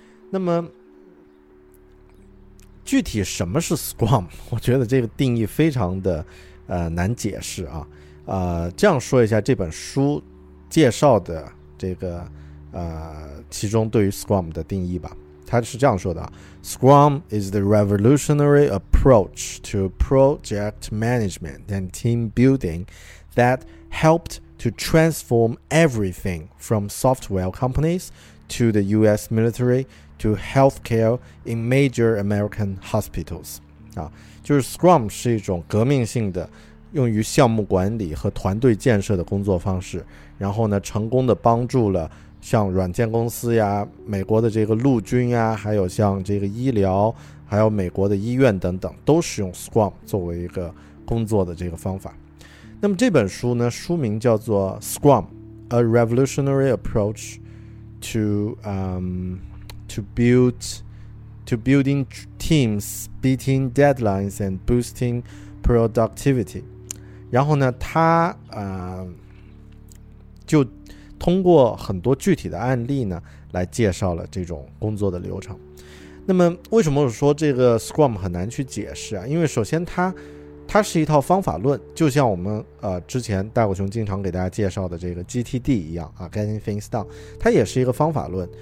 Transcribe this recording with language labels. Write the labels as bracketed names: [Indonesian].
[Chinese] 那么具体什么是 Scrum， 我觉得这个定义非常的难解释啊。这样说一下这本书介绍的这个其中对于 Scrum 的定义吧。 [English] 它是这样说的， Scrum is the revolutionary approach to project management and team building that helped to transform everything from software companies to the US military to healthcare in major American hospitals. [Chinese] 啊，就是 Scrum 是一种革命性的用于项目管理和团队建设的工作方式，然后呢，成功的帮助了像软件公司呀，美国的这个陆军呀，还有像这个医疗，还有美国的医院等等，都使用 Scrum 作为一个工作的这个方法。那么这本书呢，书名叫做 Scrum A Revolutionary Approach to Building Teams Beating Deadlines and Boosting Productivity。然后呢，他就通过很多具体的案例呢来介绍了这种工作的流程。那么为什么我说这个 Scrum 很难去解释啊？因为首先它是一套方法论，就像我们之前大狗熊经常给大家介绍的这个 GTD 一样啊 ，Getting Things Done， 它也是一个方法论。